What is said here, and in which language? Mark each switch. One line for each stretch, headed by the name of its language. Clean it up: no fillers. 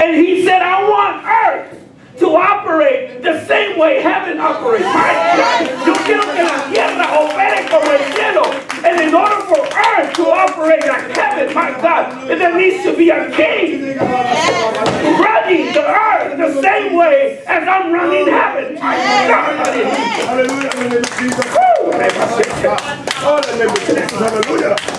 English: And he said, I want earth to operate the same way heaven operates. My God,
Spanish: yo quiero que la tierra opere como el cielo.
English: And in order for earth to operate like heaven, my God, there needs to be a king running the earth the same way as I'm running heaven. My God. Hallelujah. Hallelujah.